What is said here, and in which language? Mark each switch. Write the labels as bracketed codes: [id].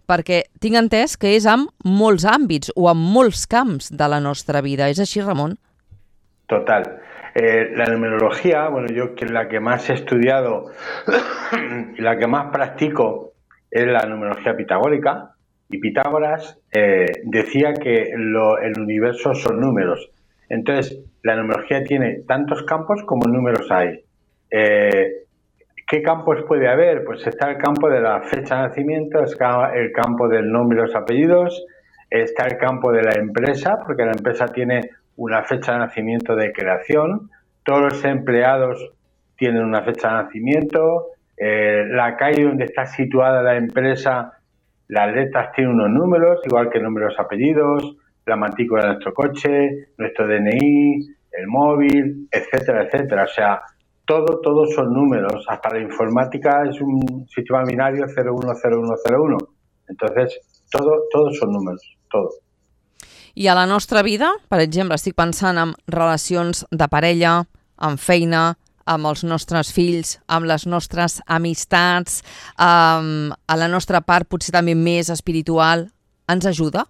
[ca] Perquè tinc entès que és en molts àmbits o en molts camps de la nostra vida. És així, Ramon? Total. [es] La numerología, bueno, yo que la que más he estudiado y la que más practico es la numerología pitagórica. Y Pitágoras decía que el universo son números. Entonces, la numerología tiene tantos campos como números hay. ¿Qué campos puede haber? Pues está el campo de la fecha de nacimiento, está el campo del nombre y los apellidos, está el campo de la empresa, porque la empresa tiene una fecha de nacimiento de creación, todos los empleados tienen una fecha de nacimiento, la calle donde está situada la empresa, las letras tienen unos números, igual que el nombre y los apellidos, la matrícula de nuestro coche, nuestro DNI, el móvil, etcétera, etcétera. O sea, Todo son números. Hasta la informática es un sistema binario 010101. Entonces, todo son números, todo. [ca] I a la nostra vida, per exemple, estic pensant en relacions de parella, en feina, amb els nostres fills, amb les nostres amistats, a la nostra part potser també més espiritual, ens ajuda?